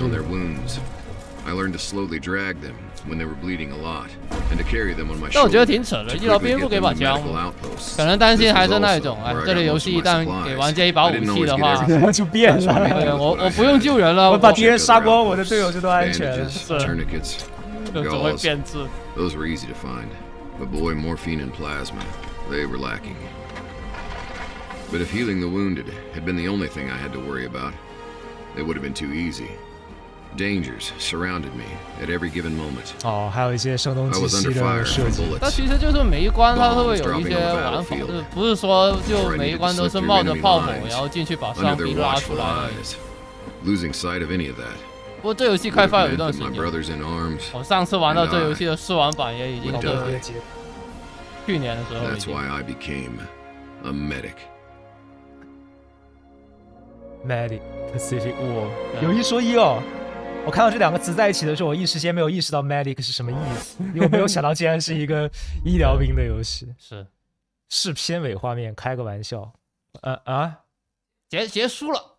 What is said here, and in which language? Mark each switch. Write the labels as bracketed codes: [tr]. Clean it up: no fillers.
[zh] 到底我觉得挺扯的，医疗兵不给把枪，可能担心还是那一种。哎，这里游戏一旦给玩家一把武器的话，就变了。我不用救人了，我把敌人杀光，我的队友就都安全。是，怎么变质？ [en] Those were easy to find. But boy, morphine and plasma, they were lacking. But if healing the wounded had been the only thing I had to worry about, it would have been too easy. Dangers surrounded me at every given moment. [zh] 哦，还有一些声东击西的设计。但其实就是每一关它都会有一些玩法，不是说就每一关都是冒着炮火然后进去把伤兵拉出来。 [en] Losing sight of any of that. [zh] 不过这游戏开发有一段时间，我上次玩到这游戏的试玩版也已经是去年的时候。 [en] That's why I became a medic. Medic Pacific War. [zh] 有一说一哦，我看到这两个词在一起的时候，我一时间没有意识到 medic 是什么意思，因为我没有想到竟然是一个医疗兵的游戏。是，是片尾画面，开个玩笑。结束了